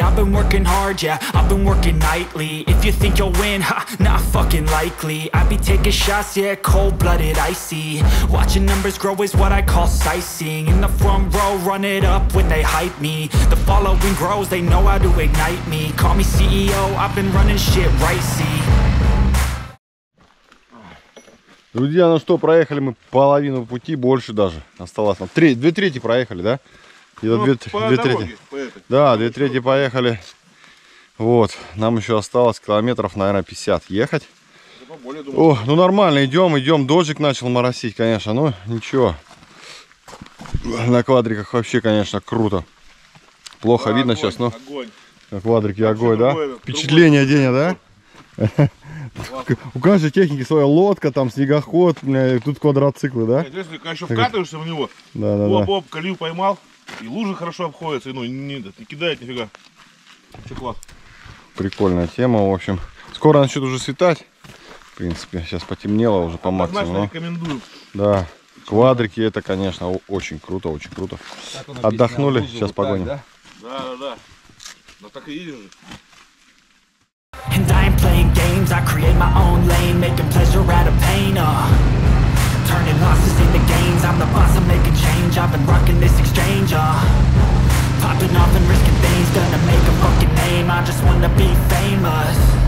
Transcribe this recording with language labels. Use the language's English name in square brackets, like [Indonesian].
[English] I've been working hard, yeah, I've been working nightly. If you think you'll win, ha, not fucking likely. I be taking shots, yeah, cold-blooded, icy. Watching numbers grow is what I call sightseeing. In the front row, run it up when they hype me. The following grows, they know how to ignite me. Call me CEO, I've been running shit right, see. [Russian] Друзья, ну что, проехали мы половину пути, больше даже. Осталось нам две трети проехали, да? Ну, две трети. Да, две трети поехали. Вот, нам еще осталось километров, наверное, 50 ехать. О, ну нормально, идем. Дождик начал моросить, конечно, но ничего. На квадриках вообще, конечно, круто. Плохо да, видно огонь, сейчас, но... Огонь. На квадрике огонь, да? Другое, впечатление денег, да? У каждой техники своя лодка, там снегоход, тут квадроциклы, да? Если еще вкатываешься в него, оп, колью поймал. И лужи хорошо обходятся, и ну не кидает нифига. Все класс. Прикольная тема, в общем. Скоро начнет уже светать. В принципе, сейчас потемнело уже по максимуму. Однозначно рекомендую. Да. Квадрики это, конечно, очень круто. Отдохнули, сейчас вот погоним. Да. Ну так и едешь же. [English] And I'm playing games, I create my own lane, making pleasure out of pain. Turning losses into gains, I'm the boss, I'm making change. I've been rocking this exchange, popping off and risking things. Gonna make a fucking name, I just wanna be famous.